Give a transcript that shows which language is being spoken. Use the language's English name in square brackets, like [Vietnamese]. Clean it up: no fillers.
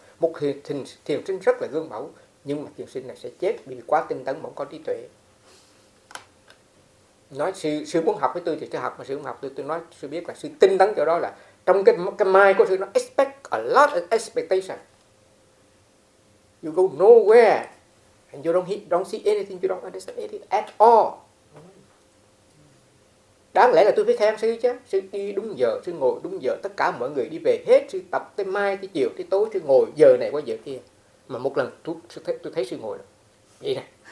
[Vietnamese] Một thiền sinh rất là gương mẫu, nhưng mà thiền sinh này sẽ chết vì quá tinh tấn, không có trí tuệ. Nói sư muốn học với tôi thì sư học, mà sư không học tôi nói sư biết là sư tinh tấn chỗ đó là trong cái mai của sư nó [English] expect a lot of expectation. You go nowhere and you don't see anything, you don't understand anything at all. [Vietnamese] Đáng lẽ là tôi phải khen sư chứ, sư đi đúng giờ, sư ngồi đúng giờ, tất cả mọi người đi về hết, sư tập tới mai, tới chiều, tới tối, sư ngồi giờ này qua giờ kia. Mà một lần tôi thấy sư ngồi vậy nè.